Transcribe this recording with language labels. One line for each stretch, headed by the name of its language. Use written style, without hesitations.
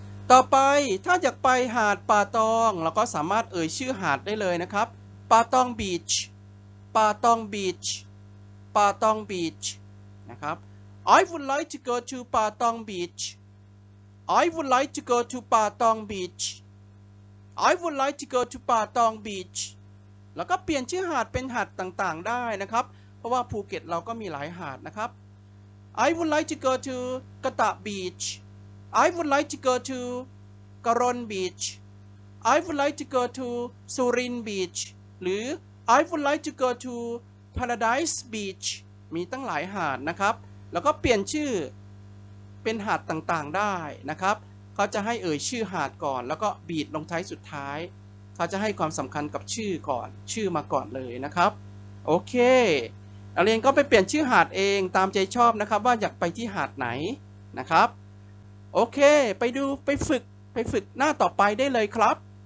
Thai: ต่อไปถ้าอยากไปหาดป่าตองเราก็สามารถเอ่ยชื่อหาดได้เลยนะครับ
English: ป่าตอง beach ป่าตอง beach ป่าตอง beach นะครับ I would like to go to ป่าตอง beach I would like to go to ป่าตอง beachI would like to go to Patong Beach.
Thai: แล้วก็เปลี่ยนชื่อหาดเป็นหาดต่างๆได้นะครับเพราะว่าภูเก็ตเราก็มีหลายหาดนะครับ
English: I would like to go to Kata Beach. I would like to go to Karon Beach. I would like to go to Surin Beach. หรือ I would like to go to Paradise Beach.
Thai: มีตั้งหลายหาดนะครับแล้วก็เปลี่ยนชื่อเป็นหาดต่างๆได้นะครับเขาจะให้เอ่ยชื่อหาดก่อนแล้วก็บีทลงท้ายสุดท้ายเขาจะให้ความสำคัญกับชื่อก่อนชื่อมาก่อนเลยนะครับโอเคนักเรียนก็ไปเปลี่ยนชื่อหาดเองตามใจชอบนะครับว่าอยากไปที่หาดไหนนะครับโอเคไปดูไปฝึกหน้าต่อไปได้เลยครับ